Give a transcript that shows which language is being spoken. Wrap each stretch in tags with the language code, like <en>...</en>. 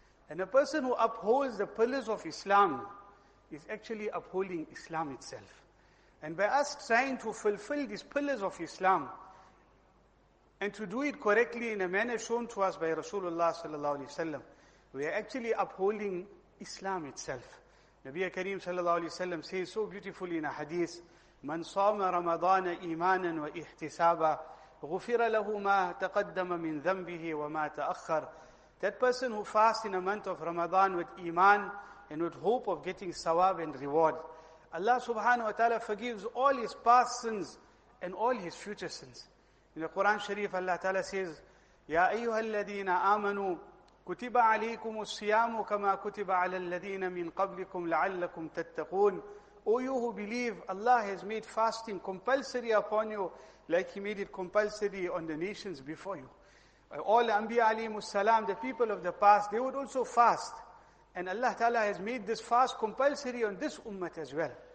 <en>And a person who upholds the pillars of Islam is actually upholding Islam itself. And by us trying to fulfill these pillars of Islam and to do it correctly in a manner shown to us by Rasulullah sallallahu alaihi wasallam, we are actually upholding Islam itself. Nabi Kareem sallallahu alaihi wasallam says so beautifully in a hadith,</en> <ar>من صام رمضان إيمانا واحتسابا غفر له ما تقدم من ذنبه وما تأخر.</ar> <en>That person who fasts in a month of Ramadan with iman and with hope of getting sawab and reward, Allah subhanahu wa ta'ala forgives all his past sins and all his future sins. In the Quran Sharif, Allah ta'ala says,</en> <ar>يَا أَيُّهَا الَّذِينَ آمَنُوا كُتِبَ عَلَيْكُمُ الصِّيَامُ كَمَا كُتِبَ عَلَى الَّذِينَ مِنْ قَبْلِكُمْ لَعَلَّكُمْ تَتَّقُونَ.</ar> <en>O you who believe, Allah has made fasting compulsory upon you like He made it compulsory on the nations before you. All Anbiya alayhi salam, the people of the past, they would also fast. And Allah Ta'ala has made this fast compulsory on this ummah as well.</en>